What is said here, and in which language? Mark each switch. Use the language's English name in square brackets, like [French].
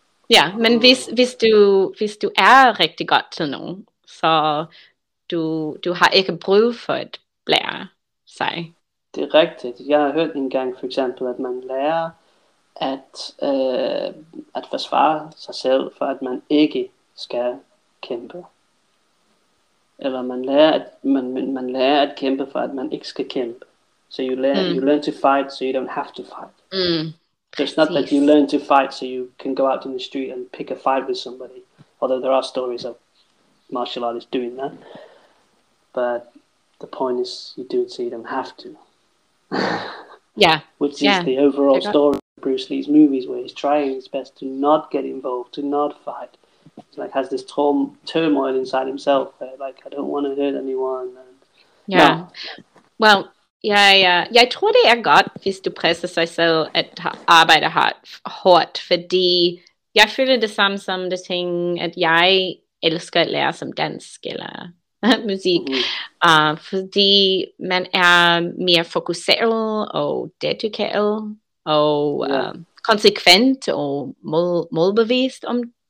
[Danish] Ja, men hvis du er rigtig godt til nogen, så du har ikke brug for at lære sig. Det er rigtigt. Jeg har hørt en gang, for eksempel, at man lærer at forsvare sig selv, for at man ikke skal kæmpe. Eller man lærer at man lærer at kæmpe, for at man ikke skal kæmpe. [English] So you learn you learn to fight, so you don't have to fight. Mm. It's not that you learn to fight so you can go out in the street and pick a fight with somebody, although there are stories of martial artists doing that. But the point is, you do it so you don't have to. Yeah. Which is the overall story of Bruce Lee's movies, where he's trying his best to not get involved, to not fight. He's like has this turmoil inside himself, where like I don't want to hurt anyone. And, yeah. No. Well. [Danish] Ja. Jeg tror, det er godt, hvis du presser sig selv at arbejde hårdt, fordi jeg føler det samme som det ting, at jeg elsker at lære som dansk eller musik, fordi man er mere fokuseret og dedikeret og konsekvent og målbevist om